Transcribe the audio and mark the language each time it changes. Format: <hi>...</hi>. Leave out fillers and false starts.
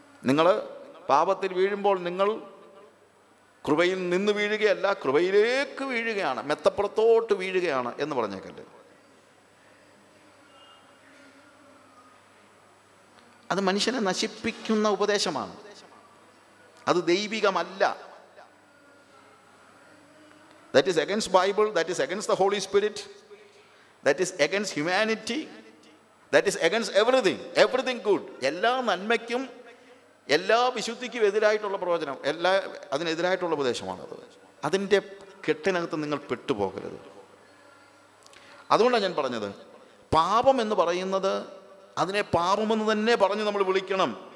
<ml>നിങ്ങൾ പാപത്തിൽ വീഴുമ്പോൾ നിങ്ങൾ കൃപയിൽ നിന്ന് വീഴുകയല്ല, കൃപയിലേക്ക് വീഴുകയാണ്, മെത്തപ്പുറത്തോട്ട് വീഴുകയാണ് എന്ന് പറഞ്ഞേക്കല്ലേ. അത് മനുഷ്യനെ നശിപ്പിക്കുന്ന ഉപദേശമാണ്, അത് ദൈവികമല്ല.</ml> <en>That is against Bible, that is against the Holy Spirit, that is against humanity, that is against everything, everything good.</en> <ml>എല്ലാ നന്മയ്ക്കും എല്ലാ വിശുദ്ധിക്കും എതിരായിട്ടുള്ള പ്രവചനം, എല്ലാ അതിനെതിരായിട്ടുള്ള ഉപദേശമാണത്. അതിൻ്റെ കെട്ടിനകത്ത് നിങ്ങൾ പെട്ടുപോകരുത്. അതുകൊണ്ടാണ് ഞാൻ പറഞ്ഞത്, പാപം എന്ന് പറയുന്നത് അതിനെ പാപമെന്ന് തന്നെ പറഞ്ഞ് നമ്മൾ വിളിക്കണം.</ml>